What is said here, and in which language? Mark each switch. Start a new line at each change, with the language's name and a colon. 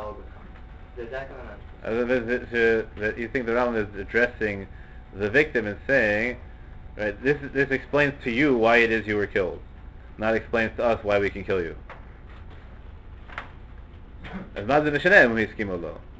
Hebrew: שאי אפשר להרוג אותך. זה הכוונה.
English: You think the Rambam is addressing the victim and saying, right, this explains to you why it is you were killed, not explains to us why we can kill you.
Hebrew: אז מה זה משנה אם הוא הסכים או לא?